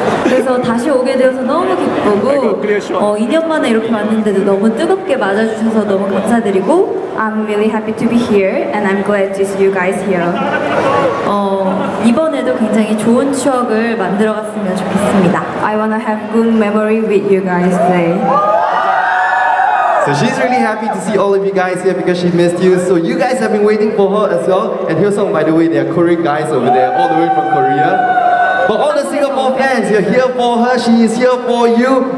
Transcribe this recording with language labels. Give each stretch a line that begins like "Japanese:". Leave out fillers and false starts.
Korean: 그래서 다시 오게 되어서 너무 기쁘고 2년 만에 이렇게 왔는데도 너무 뜨겁게 맞아주셔서 너무 감사드리고
English: I'm really happy to be here and I'm glad to see you guys here.
Korean: 이번에도 굉장히 좋은 추억을 만들어 갔으면 좋겠습니다.
English: I wanna have good memory with you guys today. So she's really happy to see all of you guys here because she missed you. So you guys have been waiting for her as well. And Hyo Seong, by the way, there are Korean guys over there, all the way from Korea. But all the Singapore fans, you're here for her, she is here for you.